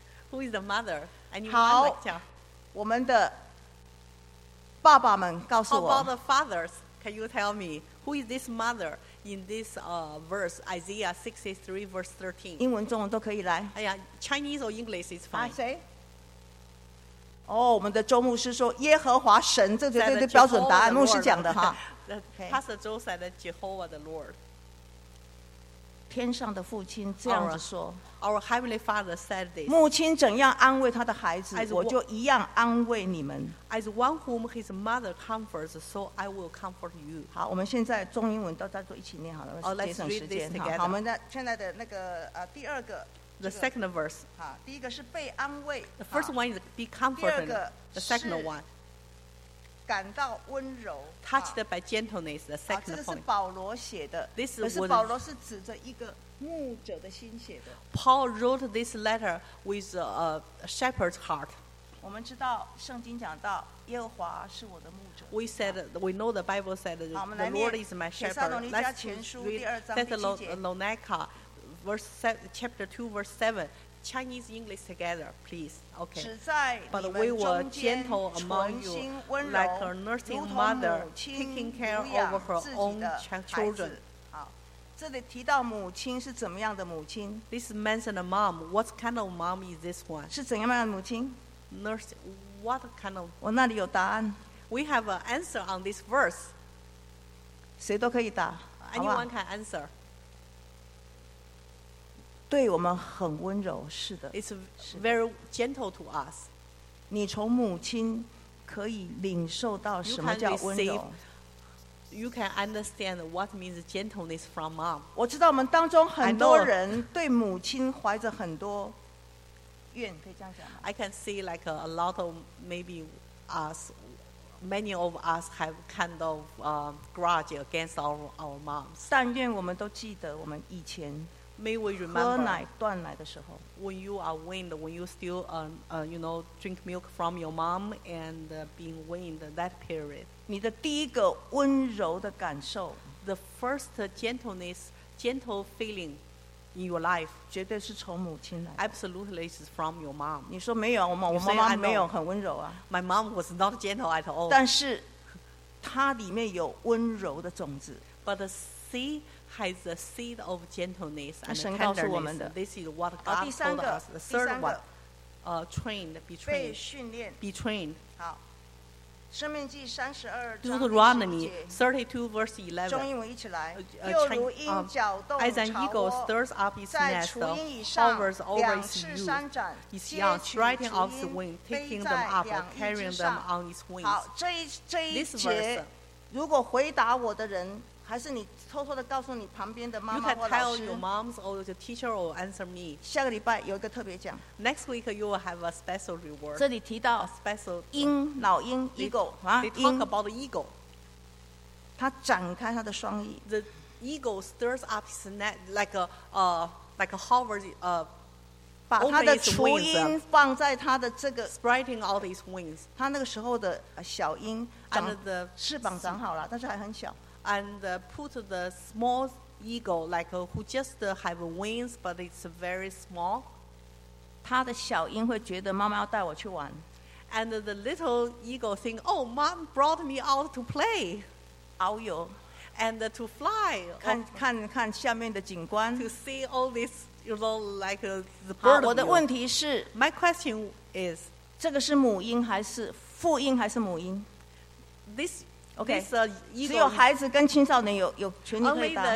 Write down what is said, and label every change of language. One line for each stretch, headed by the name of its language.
English: Who is the mother? Anyone
Chinese: 好
English: like to...
Chinese: 我们的爸爸们告诉我
English: How about the fathers? Can you tell me who is this mother in this verse Isaiah 63 verse 13?
Chinese: 英文中文都可以来。
English: 哎呀 ，Chinese or English is fine.
Chinese: 谁？哦，我们的周牧师说耶和华神，这就是标准答案。牧师讲的哈。
English: Pastor Joe said Jehovah the Lord.
Chinese: 天上的父亲这样子说。
English: Our heavenly father said this.
Chinese: 母亲怎样安慰他的孩子 我就一样安慰你们。
English: As one whom his mother comforts, so I will comfort you.
Chinese: 好，我们现在中英文都在做一起念好了，节省时间。好，我们现在的那个第二个。
English: The second verse.
Chinese: 好，第一个是被安慰。
English: The first one is be comforted. The second one.
Chinese: 感到温柔。
English: Touched by gentleness, the second point.
Chinese: 这个是保罗写的。
English: This is
Chinese: 可是保罗是指着一个牧者的心写的。
English: Paul wrote this letter with a shepherd's heart.
Chinese: 我们知道圣经讲到耶和华是我的牧者。
English: We said, we know the Bible said the Lord is my shepherd.
Chinese: 好，我们来念《帖撒罗尼迦前书》第二章第七节。
English: Thessalonica, chapter 2, verse 7. Chinese English together, please. Okay.
Chinese: 只在你们中间
English: But we were gentle among you,
Chinese: 温柔
English: like a nursing mother, taking care of her own children.
Chinese: 好，这里提到母亲是怎么样的母亲？
English: This mentioned a mom. What kind of mom is this one?
Chinese: 是怎样的母亲？
English: Nurse, what kind of?
Chinese: 我那里有答案。
English: We have an answer on this verse.
Chinese: 谁都可以答。
English: Anyone can answer.
Chinese: 对我们很温柔，是的。
English: It's very gentle to us.
Chinese: 你从母亲可以领受到什么叫温柔。
English: You can understand what means gentleness from mom.
Chinese: 我知道我们当中很多人对母亲怀着很多怨，可以这样讲吗？
English: I can see like a lot of maybe us, many of us have kind of grudge against our moms.
Chinese: 但愿我们都记得我们以前。
English: May we remember
Chinese: 喝奶断奶的时候
English: when you are weaned, when you still you know, drink milk from your mom and being weaned that period.
Chinese: 你的第一个温柔的感受
English: the first gentleness, gentle feeling in your life,
Chinese: 绝对是从母亲来的
English: absolutely is from your mom.
Chinese: 你说没有，我妈妈没有很温柔啊。
English: My mom was not gentle at all.
Chinese: 但是她里面有温柔的种子
English: But the seed. Has a seed of gentleness and
Chinese: 神告诉我们的
English: This is what God told us. The third one, be trained.
Chinese: 好，生命记三十二章第七节。
English: Deuteronomy 32 verse 11.
Chinese: 中英文一起来。又如鹰搅动巢窝。
English: As an eagle stirs up its nest, the hovers over its youth. Its young striking off the wing, taking them up and carrying them on its wings.
Chinese: 好，这一节，如果回答我的人。还是你偷偷的告诉你旁边的妈妈或老师。
English: You can tell your moms or your teacher or answer me.
Chinese: 下个礼拜有一个特别奖。
English: Next week you will have a special reward.
Chinese: 这里提到
English: special
Chinese: 鹰，老鹰 eagle 啊。
English: They talk about the eagle.
Chinese: 它展开它的双翼。
English: The eagle stirs up its neck like a hover.
Chinese: 把它的雏鹰放在它的这个
English: spreading out its wings.
Chinese: 它那个时候的小鹰长
English: Under the
Chinese: 翅膀长好了，但是还很小。
English: And put the small eagle, like who just have wings, but it's very small.
Chinese: 他的小鹰会觉得妈妈要带我去玩。
English: And the little eagle think, oh, mom brought me out to play.
Chinese: 遨游。
English: And to fly.
Chinese: 看下面的景观。
English: To see all this, you know, like the bird.
Chinese: 我的问题是
English: ，My question is，
Chinese: 这个是母鹰还是父鹰还是母鹰
English: ？This Okay, this, eagle,
Chinese: 只有孩子跟青少年有权利回答。